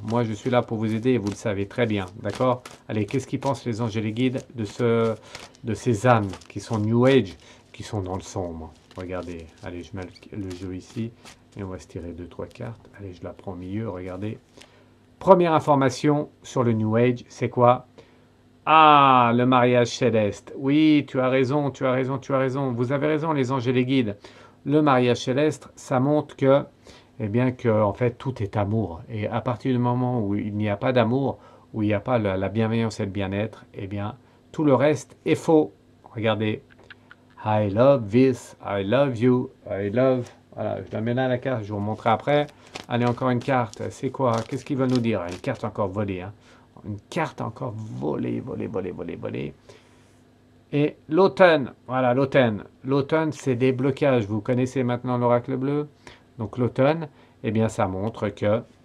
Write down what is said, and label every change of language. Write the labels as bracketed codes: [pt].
[fr] Moi, je suis là pour vous aider, vous le savez très bien. D'accord? Allez, qu'est-ce qu'ils pensent les anges et les guides de ces âmes qui sont New Age, qui sont dans le sombre? Regardez, allez, je mets le jeu ici et on va se tirer deux, trois cartes. Allez, je la prends au milieu, regardez. Première information sur le New Age, c'est quoi? Ah, le mariage céleste. Oui, tu as raison, tu as raison, tu as raison. Vous avez raison, les anges et les guides. Le mariage céleste, ça montre que, eh bien, que, en fait, tout est amour. Et à partir du moment où il n'y a pas d'amour, où il n'y a pas la bienveillance et le bien-être, eh bien, tout le reste est faux. Regardez. [en] I love this, I love you, I love. [fr] Voilà, je la mets là la carte, je vous remontrerai après. Allez, encore une carte. C'est quoi? Qu'est-ce qu'ils veulent nous dire? Une carte encore volée, hein. Une carte encore volée, volée, volée, volée, volée. Et l'automne, voilà, l'automne. L'automne, c'est des blocages. Vous connaissez maintenant l'oracle bleu? Donc l'automne, eh bien, ça montre que